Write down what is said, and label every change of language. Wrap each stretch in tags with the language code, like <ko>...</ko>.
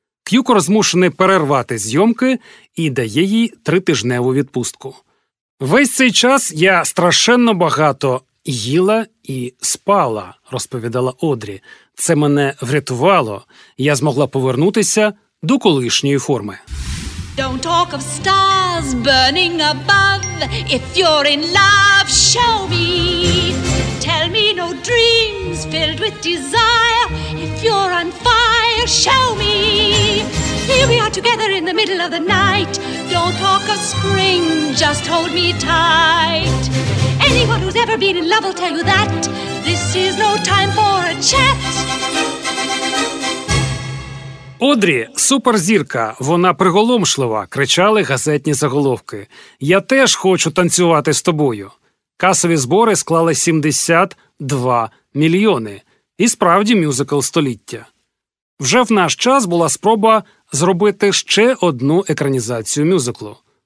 <uk>Кьюкор змушений перервати зйомки і дає їй 3-тижневу відпустку. «Весь цей час я страшенно багато їла і спала», – розповідала Одрі. «Це мене врятувало. Я змогла повернутися до колишньої форми».</uk> <en>Don't talk of stars burning above. If you're in love, show me. Tell me no dreams filled with desire. If you're on fire, show me. Here we are together in the middle of the night. Don't talk of spring, just hold me tight. Anyone who's ever been in love will tell you that. This is no time for a chat.</en> <uk>«Одрі – суперзірка, вона приголомшлива», – кричали газетні заголовки. «Я теж хочу танцювати з тобою». Касові збори склали 72 мільйони. І справді мюзикл століття. Вже в наш час була спроба зробити ще одну екранізацію мюзиклу.</uk>